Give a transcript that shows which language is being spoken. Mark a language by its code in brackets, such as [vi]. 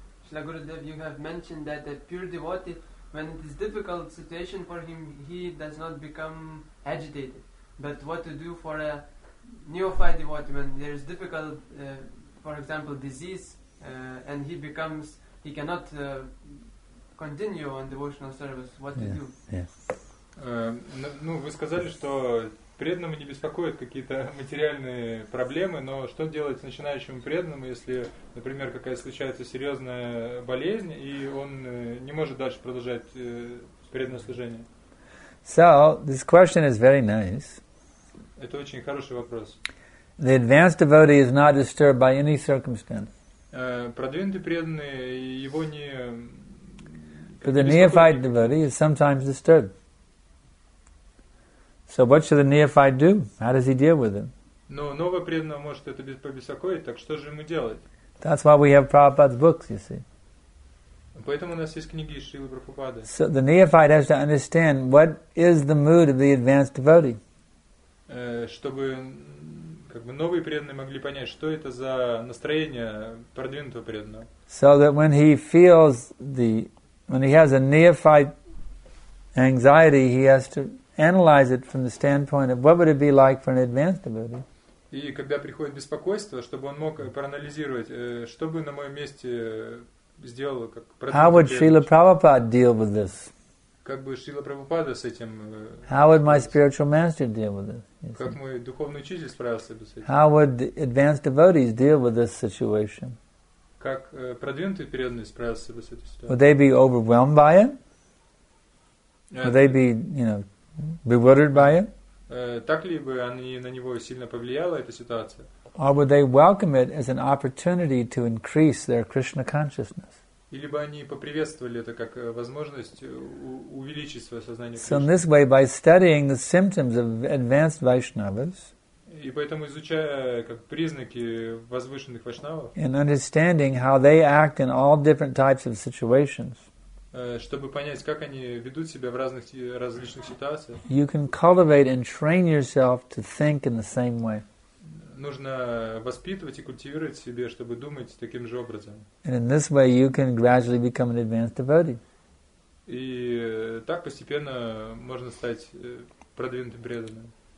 [en] Shri Gurudev, you have mentioned that a pure devotee, when it is difficult situation for him, he does not become agitated. But what to do for a neophyte devotee when there is difficult, for example, disease, and he cannot continue on devotional service, what to do? Yeah. [ru] Вы сказали, что преданному не беспокоят какие-то материальные проблемы, но что делать начинающему преданному, если, например, какая случается серьезная болезнь, и он не может дальше продолжать преданное служение? [en] So, this question is very nice. [ru] Это очень хороший вопрос. [en] The advanced devotee is not disturbed by any circumstance. [ru] Продвинутый преданный, его не беспокоит. [en] But the neophyte devotee is sometimes disturbed. So what should the neophyte do? How does he deal with it? [ru] Но новый преданный может это побеспокоить, так что же ему делать? [en] That's why we have Prabhupada's books, you see. [ru] Поэтому у нас есть книги Шрилы Прабхупады. [en] So the neophyte has to understand what is the mood of the advanced devotee. [ru] Чтобы как бы новые преданные могли понять, что это за настроение продвинутого преданного. [en] So that when he feels when he has a neophyte anxiety, he has to analyze it from the standpoint of what would it be like for an advanced devotee. [ru] И когда приходит беспокойство, чтобы он мог проанализировать, что бы на моем месте сделал, как. [en] How would Srila Prabhupada deal with this? [ru] Как бы Шрила Прабхупада с этим? [en] How would my spiritual master deal with this? [ru] Как мой духовный учитель справился бы с этим? [en] How would advanced devotees deal with this situation? [ru] Как продвинутые преданные справятся бы с этой ситуацией? [en] Would they be overwhelmed by it? Would they be, you know, bewildered by it? [ru] Так ли бы они на него сильно повлияла эта ситуация? [en] Or would they welcome it as an opportunity to increase their Krishna consciousness? [ru] Или бы они поприветствовали это как возможность увеличить свое сознание [en] Кришны. So in this way, by studying the symptoms of advanced Vaishnavas, [ru] и поэтому изучая как признаки возвышенных вайшнавов, [en] and understanding how they act in all different types of situations, [ru] чтобы понять, как они ведут себя в разных различных ситуациях, [en] you can cultivate and train yourself to think in the same way. [ru] Нужно воспитывать и культивировать в себе, чтобы думать таким же образом. [en] And in this way you can gradually become an advanced devotee. [ru] И так постепенно можно стать продвинутым преданным.